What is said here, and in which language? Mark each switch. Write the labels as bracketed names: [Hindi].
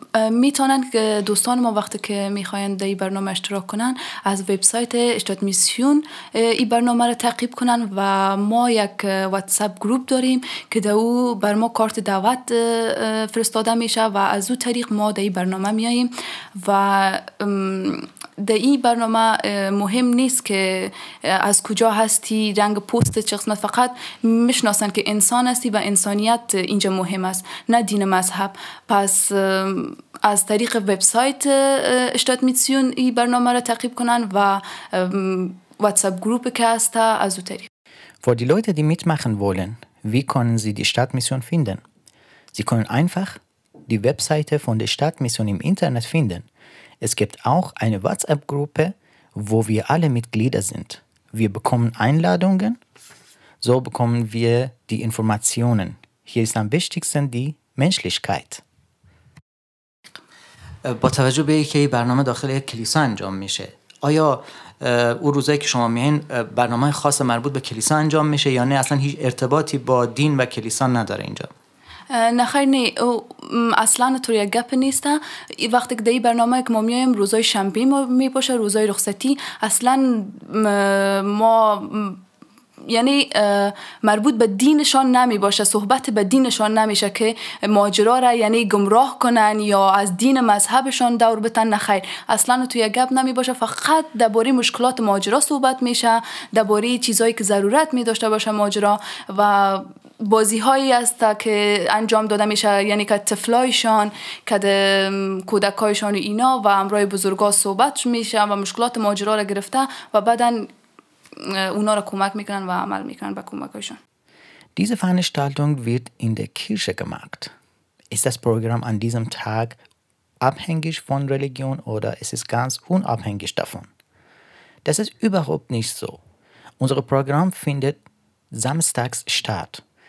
[Persian] میتونن دوستان ما وقتی که میخواین در این برنامه اشتراک کنن از وبسایت اشتاد میسیون این برنامه رو تعقیب کنن و ما یک واتساپ گروپ داریم که در او بر ما کارت دعوت فرستاده میشه و از او طریق ما در این برنامه میاییم و در این برنامه مهم نیست که از کجا هستی، رنگ پوست چه قسمت، فقط میشناسن که انسان هستی و انسانیت اینجا مهم است، نه دین مذهب. پس از طریق وبسایت اشتاد میسیون این برنامه را تعقیب کنن و واتساپ گروپ که هست از او طریق. [German] Für die Leute, die mitmachen wollen, wie können Sie die Stadtmission finden? Sie können einfach die Webseite von der Stadtmission im Internet finden. Es gibt auch eine WhatsApp-Gruppe, wo wir alle Mitglieder sind. Wir bekommen Einladungen, so bekommen wir die Informationen. Hier ist am wichtigsten die Menschlichkeit. [Persian] با توجه به اینکه این برنامه داخل یک کلیسا انجام میشه، آیا اون روزایی که شما میهن برنامه خاص مربوط به کلیسا انجام میشه یا نه اصلا هیچ ارتباطی با دین و کلیسا نداره اینجا؟ نه خیر، نه اصلا طور یک گپ نیسته. وقتی که در این برنامه که ما میایم روزای شنبه می باشه، روزای رخصتی، اصلا ما یعنی مربوط به دینشان نمی باشه، صحبت به دینشان نمیشه که ماجرا را یعنی گمراه کنن یا از دین مذهبشان دور بتن. نخیر، اصلا توی گپ نمی باشه، فقط درباره مشکلات ماجرا صحبت میشه، درباره چیزایی که ضرورت می داشته باشه ماجرا و بازی هایی هست که انجام داده میشه، یعنی که طفلایشان که کودکایشان و اینا و امرای بزرگا صحبت میشه و مشکلات ماجرا را گرفته و بعدن اونا را کمک میکنن و عمل میکنن به کمکشان. [German] Diese Veranstaltung wird in der Kirche gemacht. Ist das Programm an diesem Tag abhängig von Religion oder ist es ganz unabhängig davon? Das ist überhaupt nicht so. Unser Programm findet samstags statt.